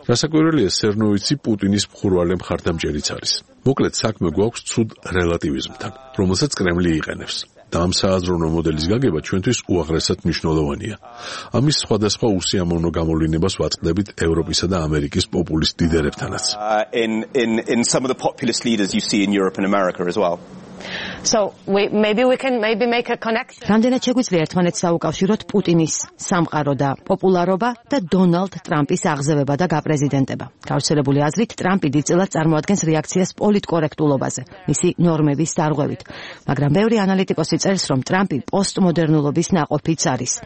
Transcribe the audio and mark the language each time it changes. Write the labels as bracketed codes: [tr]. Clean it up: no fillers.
[ka] რასაკვირველია, სერნოვიცი პუტინის მხურვალე მხარდამჭერიც არის. მოკლედ, საქმე გვაქვს ცუდ რელატივიზმთან, რომელსაც კრემლი იყენებს. და ამ საზრუნო მოდელის გაგება ჩვენთვის უაღრესად მნიშვნელოვანია. ამის სხვადასხვა უსიამოვნო გამოვლინებას ვაწყდებით ევროპისა და ამერიკის პოპულისტ ლიდერებთანაც. [en] In some of the populist leaders you see in Europe and America as well. So maybe we can make a connection. [ka] რამდენად შეგვიძლია ერთმანეთს დავუკავშიროთ პუტინის სამყარო და პოპულარობა და დონალდ ტრამპის აღზევება და გაპრეზიდენტება. გავრცელებული აზრით, ტრამპი დიდწილად წარმოადგენს რეაქციას პოლიტკორექტულობაზე, მისი ნორმების დარღვევით. მაგრამ ბევრი ანალიტიკოსი წერს, რომ ტრამპი პოსტმოდერნულობის ნაყოფიც არის.